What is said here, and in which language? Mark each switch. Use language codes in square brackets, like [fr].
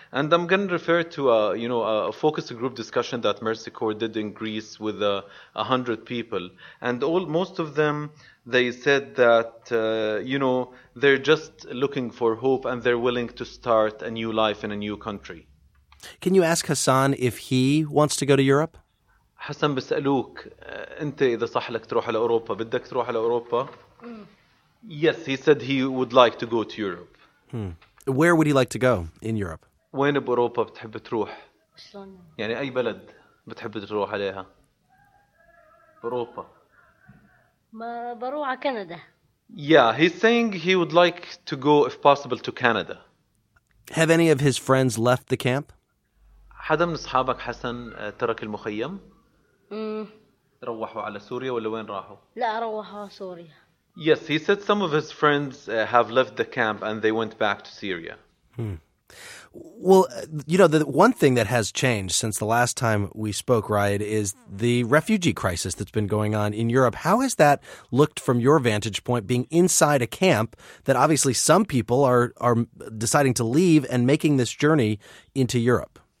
[en] And I'm going to refer to a focus group discussion that Mercy Corps did in Greece with 100 people. And most of them, they said that, you know, they're just looking for hope and they're willing to start a new life in a new country. Can you ask Hassan if he wants to go to Europe? [ar] Hassan, بسألوك, أنت إذا صح لك تروح على أوروبا, بدك تروح على أوروبا? [en] Yes, he said he would like to go to Europe. Where would he like to go in Europe? [ar] وين بأوروبا بتحب تروح؟ يعني أي بلد بتحب تروح عليها؟ بأوروبا. ما بروح على كندا. [en] Yeah, he's saying he would like to go, if possible, to Canada. Have any of his friends left the camp? [ar] حدا من أصحابك حسن ترك المخيم؟ روحوا على سوريا ولا وين راحوا؟ لا روحوا سوريا. [en] Yes, he said some of his friends have left the camp and they went back to Syria. Well, you know, the one thing that has changed since the last time we spoke, Riot, is the refugee crisis that's been going on in Europe. How has that looked from your vantage point, being inside a camp that obviously some people are deciding to leave and making this journey into Europe?